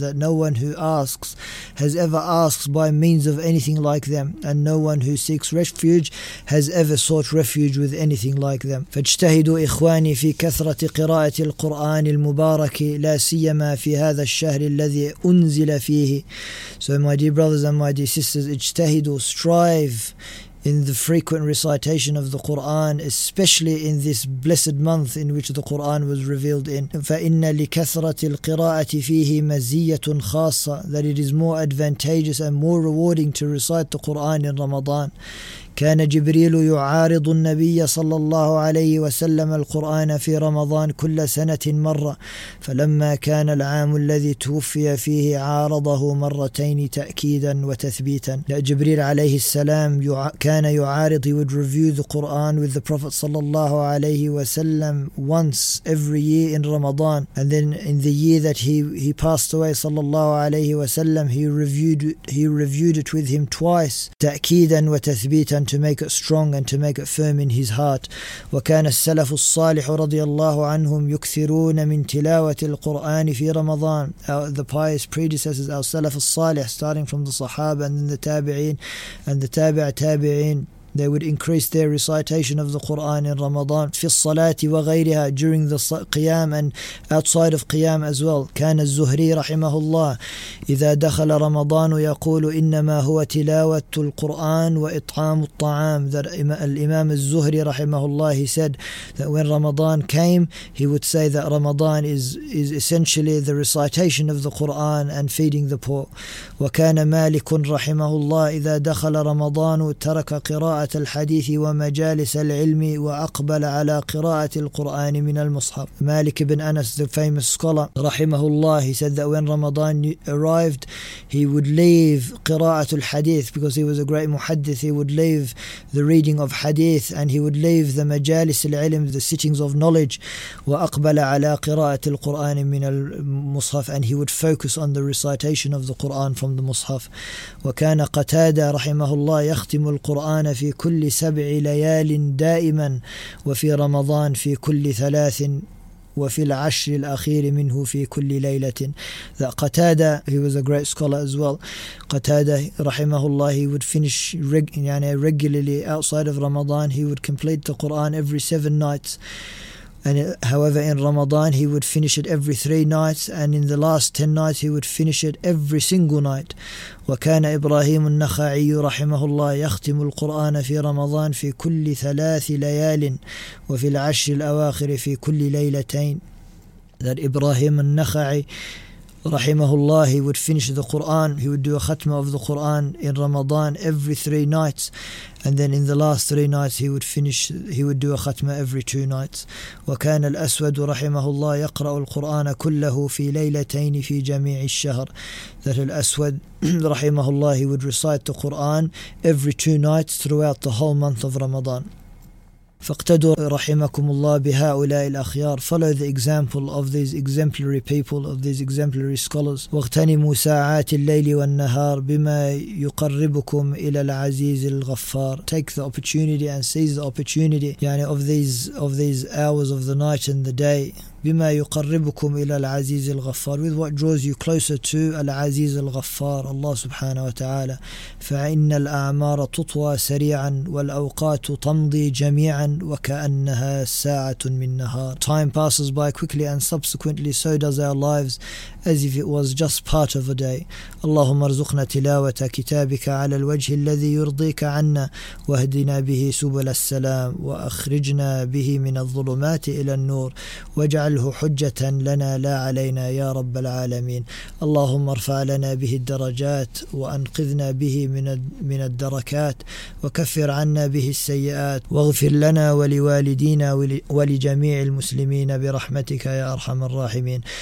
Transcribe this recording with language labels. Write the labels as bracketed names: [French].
[English] That no one who asks has ever asked by means of anything like them, and no one who seeks refuge has ever sought refuge with anything like them. [Arabic] فاجتهدوا إخواني في كثرة قراءة القرآن المبارك لا سيما في هذا الشهر الذي أنزل فيه. [English] So my dear brothers and my dear sisters, اجتهدوا, strive in the frequent recitation of the Qur'an, especially in this blessed month in which the Qur'an was revealed in. [Arabic] فَإِنَّ لِكَثْرَةِ الْقِرَاءَةِ فِيهِ مَزِيَّةٌ خَاصَّةٌ. [English] That it is more advantageous and more rewarding to recite the Qur'an in Ramadan. [Arabic] كان جبريل يعارض النبي صلى الله عليه وسلم القرآن في رمضان كل سنة مرة فلما كان العام الذي توفي فيه عارضه مرتين تأكيدا وتثبيتا. [English] جبريل عليه السلام كان يعارض, he would review the Quran with the Prophet صلى الله عليه وسلم once every year in Ramadan, and then in the year that he passed away صلى الله عليه وسلم, he reviewed it with him twice [Arabic] تأكيدا وتثبيتا, [English] to make it strong and to make it firm in his heart. [Arabic] وكان السلف الصالح رضي الله عنهم يكثرون من تلاوة القرآن في رمضان. [English] The pious predecessors, our salaf الصالح, starting from the Sahaba and then the Tabi'in and the Tabi'a Tabi'in, they would increase their recitation of the Quran in Ramadan. [Arabic] في الصلاة وغيرها, [English] during the قيام and outside of قيام as well. [Arabic] كان الزهري رحمه الله إذا دخل رمضان يقول إنما هو تلاوة القرآن وإطعام الطعام. [English] الإمام الزهري رحمه الله, he said that when Ramadan came, he would say that Ramadan is essentially the recitation of the Quran and feeding the poor. [Arabic] وكان مالك رحمه الله إذا دخل رمضان ترك قراءة الحديث ومجالس العلم وأقبل على قراءة القرآن من المصحف. [English] مالك بن أنس, the famous scholar, رحمه الله, he said that when Ramadan arrived, he would leave قراءة الحديث, because he was a great muhaddith, he would leave the reading of hadith, and he would leave the مجالس العلم, the sittings of knowledge, [Arabic] وأقبل على قراءة القرآن من المصحف, [English] and he would focus on the recitation of the Quran from the مصحف. [Arabic] وكان قتادة رحمه الله يختم القرآن في كل سبع ليال دائما وفي رمضان في كل ثلاث وفي العشر الأخير منه في كل ليلة. [English] That Qatada, he was a great scholar as well, Qatada رحمه الله, he would finish regularly outside of Ramadan, he would complete the Quran every 7 nights. And however, in Ramadan, he would finish it every 3 nights, and in the last 10 nights, he would finish it every single night. [Arabic] وكان إبراهيم النخعي رحمه الله يختم القرآن في رمضان في كل 3 ليال وفي العشر الأواخر في كل ليلتين. [English] That Ibrahim al-Nakhai, rahimahullah, he would finish the Quran, he would do a khatma of the Quran in Ramadan every 3 nights, and then in the last 3 nights he would do a khatma every 2 nights. [Arabic] وكان الأسود رحمه الله يقرأ القرآن كله في ليلتين في جميع الشهر. [English] That الأسود رحمه الله, he would recite the Quran every 2 nights throughout the whole month of Ramadan. [Arabic] فاقتدوا رحمكم الله بهؤلاء الأخيار. [English] Follow the example of these exemplary people, of these exemplary scholars. [Arabic] واغتنموا ساعات الليل والنهار بما يقربكم إلى العزيز الغفار. [English] Take the opportunity and seize the opportunity, يعني of these hours of the night and the day. [Arabic] بما يقربكم إلى العزيز الغفار. [English] With what draws you closer to [Arabic] العزيز الغفار, الله سبحانه وتعالى. فإن الأعمار تطوى سريعا والأوقات تمضي جميعا وكأنها ساعة من نهار. [English] Time passes by quickly and subsequently so does our lives, as if it was just part of a day. [Arabic] اللهم ارزقنا تلاوة كتابك على الوجه الذي يرضيك عنا واهدنا به سبل السلام وأخرجنا به من الظلمات إلى النور واجعل واجعله حجة لنا لا علينا يا رب العالمين. اللهم ارفع لنا به الدرجات وأنقذنا به من الدركات وكفر عنا به السيئات واغفر لنا ولوالدينا ولجميع المسلمين برحمتك يا أرحم الراحمين.